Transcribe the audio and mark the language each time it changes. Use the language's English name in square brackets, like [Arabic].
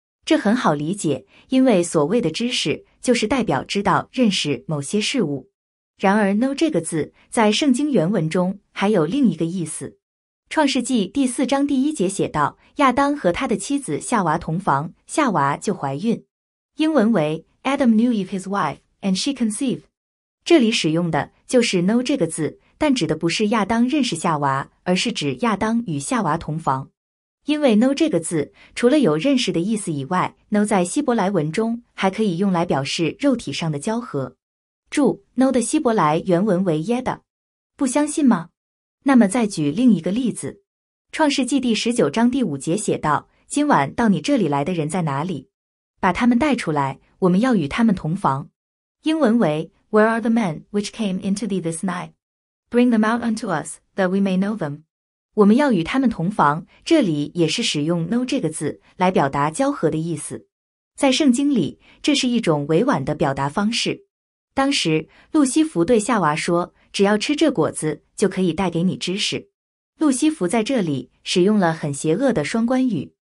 [Chinese] 这很好理解，因为所谓的知识就是代表知道、认识某些事物。然而 know 这个字在圣经原文中还有另一个意思。创世纪第四章第一节写道，亚当和他的妻子夏娃同房，夏娃就怀孕。英文为 [English] Adam knew of his wife, and she conceived。 [Chinese] 这里使用的就是 know 这个字，但指的不是亚当认识夏娃，而是指亚当与夏娃同房。因为 know 这个字，除了有认识的意思以外， know 在希伯来文中还可以用来表示肉体上的交合。注 know 的希伯来原文为 yada。不相信吗？那么再举另一个例子。创世纪第十九章第五节写道，今晚到你这里来的人在哪里？把他们带出来，我们要与他们同房。英文为 [English] Where are the men which came into thee this night? Bring them out unto us, that we may know them. [Chinese] 我们要与他们同房，这里也是使用 know 这个字来表达交合的意思。在圣经里，这是一种委婉的表达方式。当时，路西弗对夏娃说，只要吃这果子，就可以带给你知识。路西弗在这里使用了很邪恶的双关语。